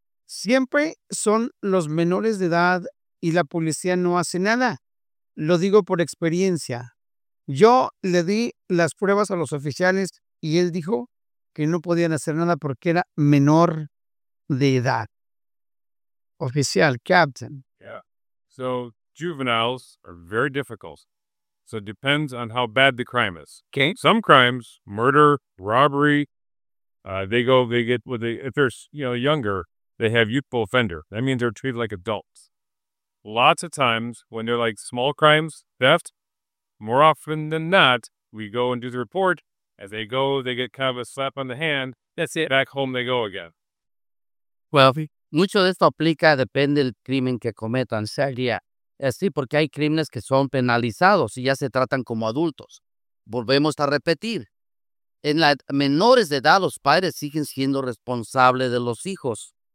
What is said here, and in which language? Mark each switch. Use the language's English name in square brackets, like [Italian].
[Spanish] Siempre son los menores de edad y la policía no hace nada. Lo digo por experiencia. Yo le di las pruebas a los oficiales y él dijo que no podían hacer nada porque era menor de edad. Oficial, captain. [English] Yeah. So juveniles are very difficult. So it depends on how bad the crime is. Okay. Some crimes, murder, robbery, if they're, younger, they have youthful offender. That means they're treated like adults. Lots of times when they're like small crimes, theft, more often than not, we go and do the report. As they go, they get kind of a slap on the hand. That's it. Back home they go again. [Spanish] Well, mucho de esto aplica, depende del crimen que cometan. Sería así, porque hay crímenes que son penalizados y ya se tratan como adultos. Volvemos a repetir. En las menores de edad, los padres siguen siendo responsables de los hijos.